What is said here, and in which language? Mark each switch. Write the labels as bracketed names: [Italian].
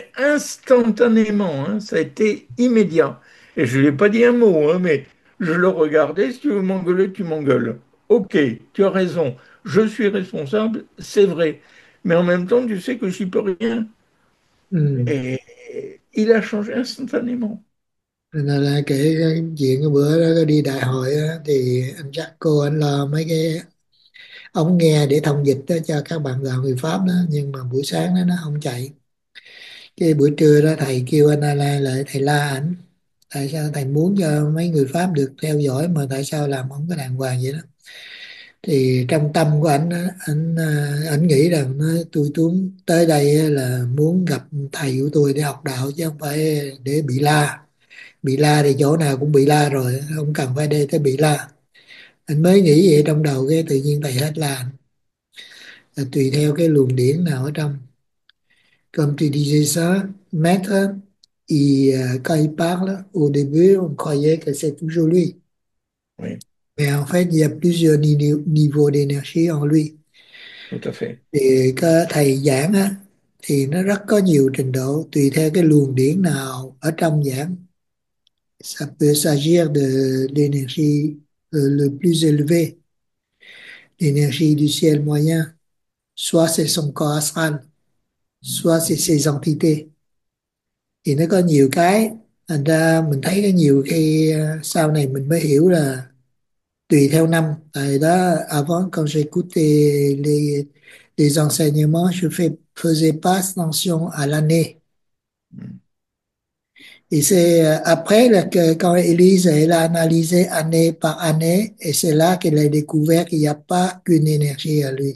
[French] Mais instantanément, hein, ça a été immédiat. Et je lui ai pas dit un mot, hein, mais je le regardais. Si tu veux m'engueuler, tu m'engueules. Ok, tu as raison. Je suis responsable, c'est vrai. Mais en même temps, tu sais que je n'y peux rien. Et il a changé instantanément. [Vietnamese] Là cái chuyện cái bữa đó đi đại hội đó, thì anh chắc cô anh lo mấy cái ống nghe để thông dịch đó cho các bạn là người Pháp đó, nhưng mà buổi sáng đó, nó không chạy. Cái buổi trưa đó thầy kêu anh Alan lại, thầy la ảnh tại sao thầy muốn cho mấy người Pháp được theo dõi mà tại sao làm không có đàng hoàng vậy đó. Thì trong tâm của anh anh nghĩ rằng tôi muốn tới đây là muốn gặp thầy của tôi để học đạo chứ không phải để bị la. Bị la thì chỗ nào cũng bị la rồi, không cần phải đi tới bị la. Anh mới nghĩ vậy trong đầu cái tự nhiên thầy hết la. Là tùy theo cái luồng điển nào ở trong. [French] Comme tu disais ça, maître, quand il parle, au début, on croyait que c'est toujours lui. Mais en fait, il y a plusieurs niveaux d'énergie en lui. Tout à fait. [Vietnamese] Thì cái thầy giảng á, thì nó rất có nhiều trình độ tùy theo cái luồng điển nào ở trong giảng. [French] Ça peut s'agir de l'énergie le plus élevé, l'énergie du ciel moyen. Soit c'est son corps astral, soit c'est ses entités. [Vietnamese] Thì nó có nhiều cái. Thành ra mình thấy cái nhiều khi sau này mình mới hiểu là tùy theo năm. Tại đó, [French] avant, quand j'écoutais les enseignements, faisais pas attention à l'année. Et c'est après là, que quand Élise, elle a analysé année par année, et c'est là qu'elle a découvert qu'il n'y a pas qu'une énergie à lui.